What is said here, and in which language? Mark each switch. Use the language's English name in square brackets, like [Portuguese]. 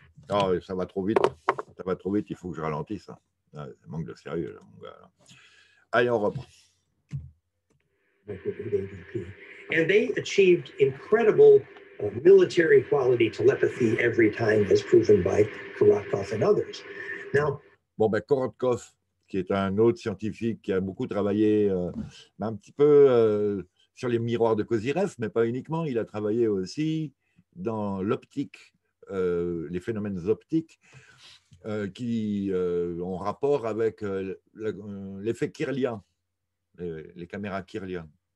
[French] Oh, ça va trop vite. Ça va trop vite, il faut que je ralentisse. Ça manque de sérieux, là, mon gars. Allez, on reprend. [English] And they achieved incredible military quality telepathy every time, as proven by Korotkov and others. Now, [French] bon, ben, Korotkov, qui est un autre scientifique qui a beaucoup travaillé un petit peu sur les miroirs de Kozirev, mais pas uniquement, il a travaillé aussi dans l'optique, les phénomènes optiques qui ont rapport avec l'effet Kirlian, les caméras Kirlian.